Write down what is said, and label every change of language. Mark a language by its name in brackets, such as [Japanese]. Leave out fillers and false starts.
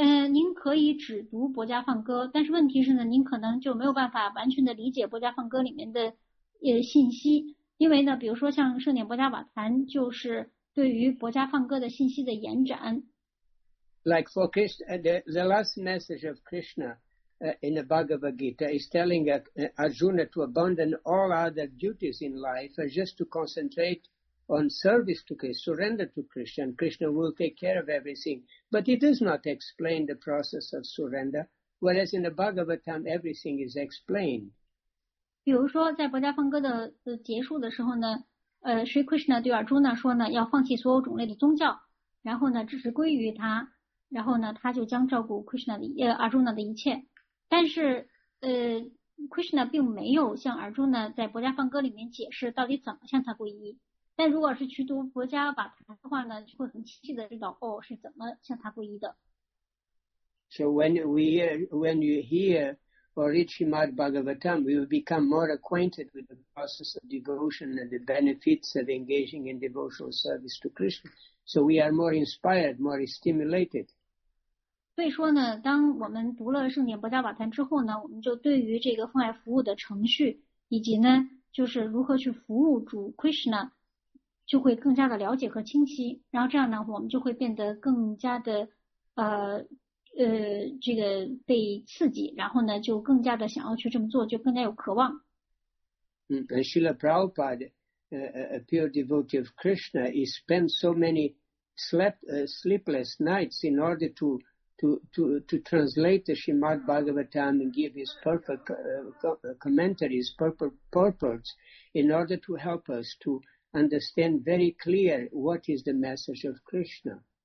[Chinese] 您可以只读《博伽梵歌》，但是问题是呢，您可能就没有办法完全的理解《博伽梵歌》里面的信息，因为呢，比如说像《圣典博伽瓦坛》，就是对于《博伽梵歌》的信息的延展。 [English] Like for Krishna, the last message of Krishna in the Bhagavad Gita is telling Arjuna to abandon all other duties in life and just to concentrate on service to Krishna, surrender to Krishna, and Krishna will take care of everything. But it does not explain the process of surrender, whereas in the Bhagavatam, everything is explained. [Chinese] 比如说在博伽梵歌的结束的时候呢，Shri Krishna 对 Arjuna 说呢，要放弃所有种类的宗教，然后呢，只是归于他，然后呢，他就将照顾 Krishna 的Arjuna 的一切。但是Krishna 并没有向 Arjuna 在博伽梵歌里面解释到底怎么向他皈依。但如果是去读佛家把它的话呢，就会很清晰的知道哦是怎么向他皈依的。 [English] So when you hear or read Srimad Bhagavatam, we will become more acquainted with the process of devotion and the benefits of engaging in devotional service to Krishna. So we are more inspired, more stimulated. [Chinese] 所以说呢，当我们读了圣典博伽瓦坛之后呢，我们就对于这个奉爱服务的程序，以及呢就是如何去服务主 Krishna。就会更加的了解和清晰，然后这样呢，我们就会变得更加的这个被刺激，然后呢，就更加的想要去这么做，就更加有渴望。 [English] And Srila Prabhupada, a pure devotee of Krishna, he spent so many sleepless nights in order to translate the Srimad Bhagavatam and give his perfect commentaries, purports, in order to help us to understand very clear what is the message of Krishna.